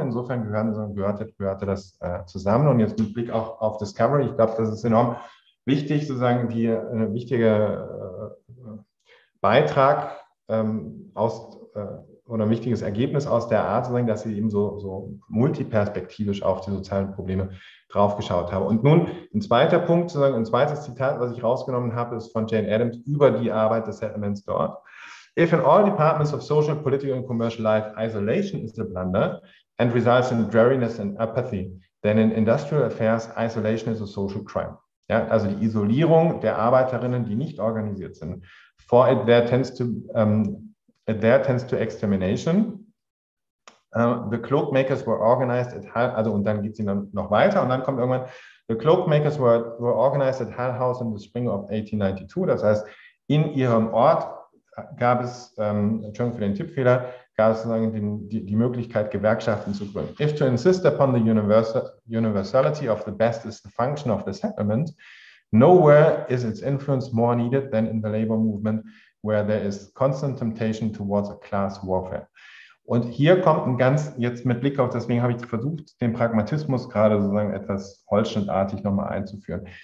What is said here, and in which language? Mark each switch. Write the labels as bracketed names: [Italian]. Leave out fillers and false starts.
[German] Insofern gehörte das zusammen. Und jetzt mit Blick auch auf Discovery, ich glaube, das ist enorm wichtig, sozusagen die wichtige Beitrag oder ein wichtiges Ergebnis aus der Art zu sein, dass sie eben so multiperspektivisch auf die sozialen Probleme draufgeschaut haben. Und nun ein zweiter Punkt, sozusagen ein zweites Zitat, was ich rausgenommen habe, ist von Jane Addams über die Arbeit des Settlements dort. [English] If in all departments of social, political and commercial life isolation is a blunder and results in dreariness and apathy, then in industrial affairs isolation is a social crime. [German] Ja, also die Isolierung der Arbeiterinnen, die nicht organisiert sind, [English] for it there tends to... There tends to extermination. The cloakmakers were organized at Hull, [German] also und dann geht sie dann noch weiter und dann kommt irgendwann, [English] the cloakmakers were organized at Hull House in the spring of 1892. [German] Das heißt, in ihrem Ort gab es, Entschuldigung für den Tippfehler, gab es sozusagen die Möglichkeit, Gewerkschaften zu gründen. [English] If to insist upon the universality of the best is the function of the settlement, nowhere is its influence more needed than in the labor movement, where there is constant temptation towards a class warfare. [German] Und hier kommt ein ganz, jetzt mit Blick auf, deswegen habe ich versucht, den Pragmatismus gerade sozusagen etwas holzschnittartig nochmal einzuführen.